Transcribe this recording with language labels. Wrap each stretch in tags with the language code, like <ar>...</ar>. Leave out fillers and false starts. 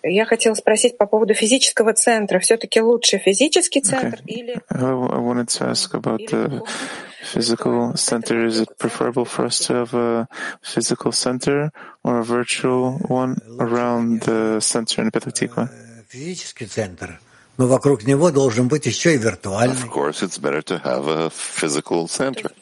<ru>Я хотела спросить по поводу физического центра. Все-таки лучше физический центр или...</ru> <en>I wanted to ask about the physical center. Is it preferable for us to have a physical center or a virtual one around the center in Petah Tikva?</en> <ru>Физический центр, но вокруг него должен быть еще и виртуальный.</ru> <en>Of course, it's better to have a physical center.</en>